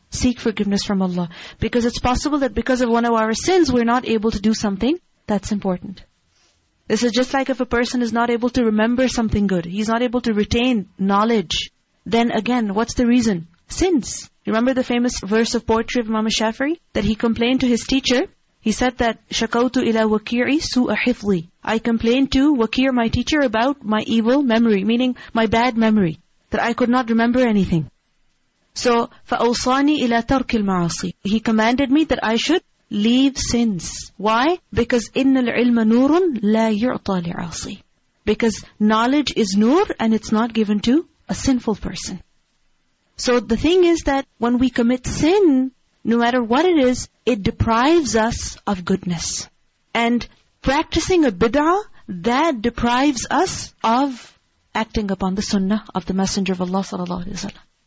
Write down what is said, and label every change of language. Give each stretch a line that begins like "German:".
English: Seek forgiveness from Allah. Because it's possible that because of one of our sins, we're not able to do something that's important. This is just like if a person is not able to remember something good. He's not able to retain knowledge. Then again, what's the reason? Sins. Remember the famous verse of poetry of Imam Shafi'i? That he complained to his teacher. He said that,
Arabic: شَكَوْتُ إِلَى وَكِيرِ سُوءَ حِفْظِي.
English: I complained to Wakir, my teacher, about my evil memory. Meaning, my bad memory. That I could not remember anything.
Arabic: So, فَأَوْصَانِي إِلَى تَرْكِ الْمَعَاصِي.
English: He commanded me that I should leave sins. Why?
Arabic: Because إِنَّ الْعِلْمَ نُورٌ لَا يُعْطَى لِعَاصِي.
English: Because knowledge is nur and it's not given to a sinful person. So the thing is that when we commit sin, no matter what it is, it deprives us of goodness. And practicing a bid'ah, that deprives us of acting upon the sunnah of the Messenger of Allah sallallahu alaihi wasallam.